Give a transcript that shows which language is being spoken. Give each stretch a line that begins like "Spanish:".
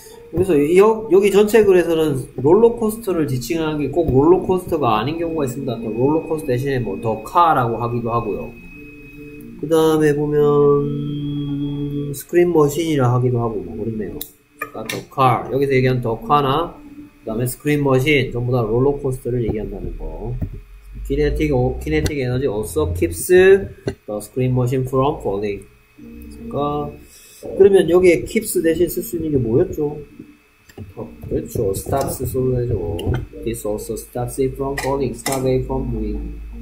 Korean: 그래서 여기 전체 글에서는 롤러코스터를 지칭하는 게 꼭 롤러코스터가 아닌 경우가 있습니다. 더 롤러코스터 대신에 뭐 더 카라고 하기도 하고요. 그 다음에 보면 스크린 머신이라 하기도 하고 뭐 그렇네요. 그러니까 더 카 여기서 얘기한 더 카나 그 다음에 스크린 머신 전부 다 롤러코스터를 얘기한다는 거.
English: 키네틱 에너지 also keeps the screen machine from falling.
Korean: 그러니까 그러면 여기에 keeps 대신 쓸 수 있는 게 뭐였죠? 그렇죠. stops 써도 되죠.
English: this also stops it from falling, stop it from moving.